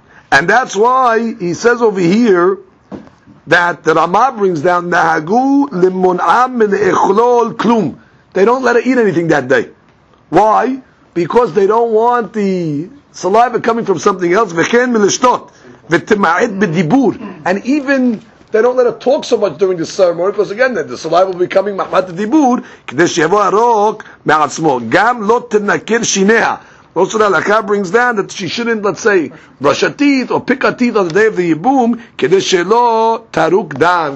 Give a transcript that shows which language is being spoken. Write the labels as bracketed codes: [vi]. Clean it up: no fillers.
[en] And that's why he says over here, that the Ramah brings down, [he] Nahagu Limon'am Me'echlol Klum. [en] They don't let her eat anything that day. Why? Because they don't want the saliva coming from something else. [he] וכן מלשתות ותמעט בדיבור. [en] And even they don't let her talk so much during the ceremony, because again, the saliva will be coming [he] מחמת הדיבור, כדי שיבוא הרוק מעצמו. גם לא תנקר שיניה. [en] Also the halakha brings down that she shouldn't, let's say, brush her teeth or pick her teeth on the day of the yibum, [he] כדי שלא תרוק דם.